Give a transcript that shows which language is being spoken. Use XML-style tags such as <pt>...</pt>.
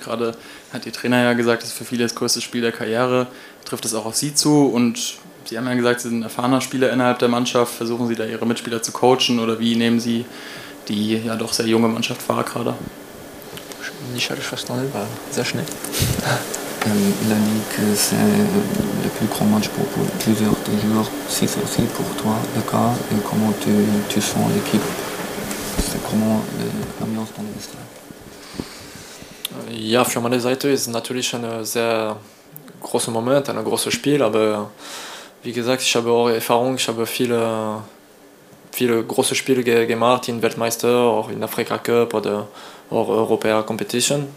<de>Gerade hat Ihr Trainer ja gesagt, das ist für viele das größte Spiel der Karriere. Trifft es auch auf Sie zu? Und Sie haben ja gesagt, Sie sind ein erfahrener Spieler innerhalb der Mannschaft. Versuchen Sie da Ihre Mitspieler zu coachen oder wie nehmen Sie die ja doch sehr junge Mannschaft wahr gerade? Nicht habe ich verstanden, war sehr schnell.</de> <fr>La Ligue, c'est le plus grand match pour plusieurs des joueurs. Si c'est aussi pour toi le cas, et comment tu sens l'équipe? C'est comment l'ambiance dans le vestiaire?</fr> <de>Ja, für meine Seite ist natürlich ein sehr großer Moment, ein großes Spiel, aber wie gesagt, ich habe auch Erfahrung, ich habe viele große Spiele gemacht, in Weltmeister, auch in Afrika Cup oder auch Europäer Competition.</de>